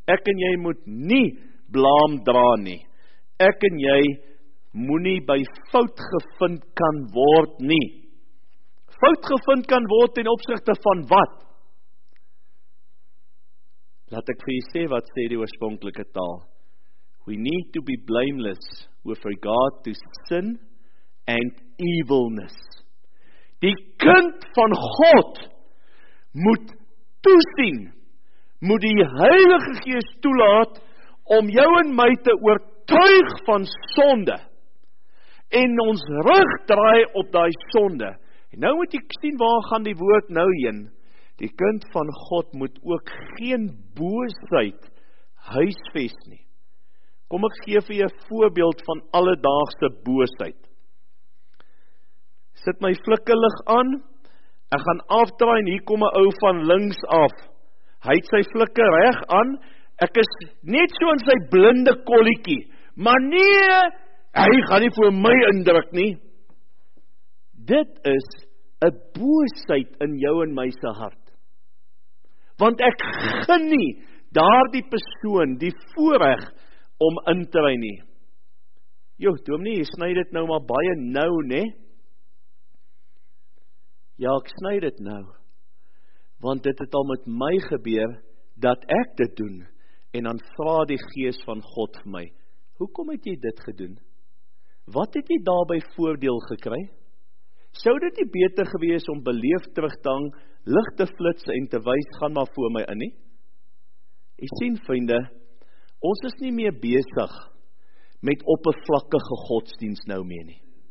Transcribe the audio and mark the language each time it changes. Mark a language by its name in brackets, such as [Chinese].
[Afrikaans] Ek en jy moet nie blaam dra nie. Ek en jy moenie by fout gevind kan word nie. Fout gevind kan word ten opsigte van wat? Laat ek vir jy sê wat sê die oorspronklike taal. [English] We need to be blameless with regard to sin and evilness. [Afrikaans] Die kind van God moet toesien, moet die Heilige Gees toelaat om jou en my te oortuig van sonde en ons rug draai op daai sonde. En nou moet jy sien waar gaan die woord nou heen. Die kind van God moet ook geen boosheid huisves nie. Kom ek gee vir jou 'n voorbeeld van alledaagse boosheid. Sit my flikkerlig aan, ek gaan afdraai en hier kom 'n ou van links af. Hy het sy flikker reg aan, ek is net so in sy blinde kolletjie, maar nee, hy gaan nie vir my indruk nie. Dit is 'n boosheid in jou en my se hart. Want ek gun nie daardie persoon die voorreg om in te ry nie. Jo, dominee, jy sny dit nou maar baie nou, nê? Ja, ek sny dit nou. Want dit het al met my gebeur dat ek dit doen. En dan vra die Gees van God vir my, hoekom het jy dit gedoen? Wat het jy daarby voordeel gekry? Sou dit nie beter gewees om beleefd terug te hang, lig te flits en te wys, gaan maar voor my in nie? Jy sien, vriende, ons is nie meer besig met oppervlakkige godsdienst nou meer nie.